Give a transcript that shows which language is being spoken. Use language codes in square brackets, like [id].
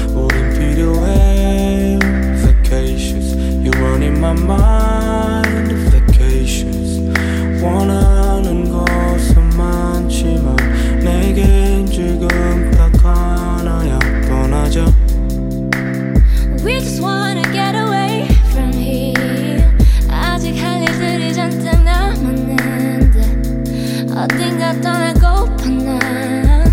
[ko] 우린 필요해 vacations. [en] You run in my mind vacations. [ko] 원하는 것은 많지만 내겐 지금 딱 하나야. 떠나자. [en] We just wanna get away from here. [ko] 아직 할 일들이 잔뜩 남았네. 어딘가 떠나고픈 날